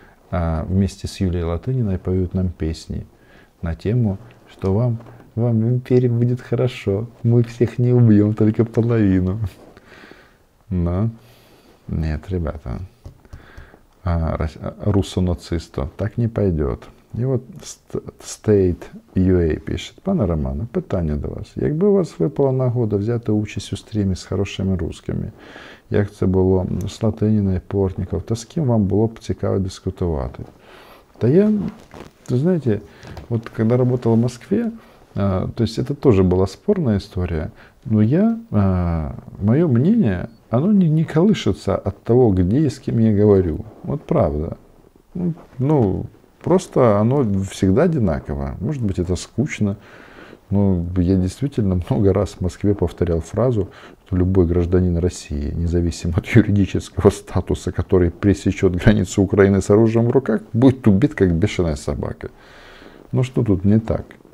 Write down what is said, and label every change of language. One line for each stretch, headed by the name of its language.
Russian: А вместе с Юлией Латыниной поют нам песни на тему, что вам в империи будет хорошо, мы всех не убьем, только половину. Но нет, ребята, руссо-нацисто так не пойдет. И вот State.ua пишет.
Ukrainian: Пане Романе, питання до вас. Якби у вас випала нагода взяти участь у стрімі з хорошими русскими, як це було з Латиніною, Портніковим, то з ким вам було б цікаво дискутувати? Та я, ви знаєте, от коли працював у Москві,
Russian: то есть это тоже была спорная история, но я, мое мнение, оно не колышется от того, где и с кем я говорю. Вот правда. Ну, просто оно всегда одинаково. Может быть, это скучно, но я действительно много раз в Москве повторял фразу, что любой гражданин России, независимо от юридического статуса, который пересечет границу Украины с оружием в руках, будет убит, как бешеная собака. Ну что тут не так?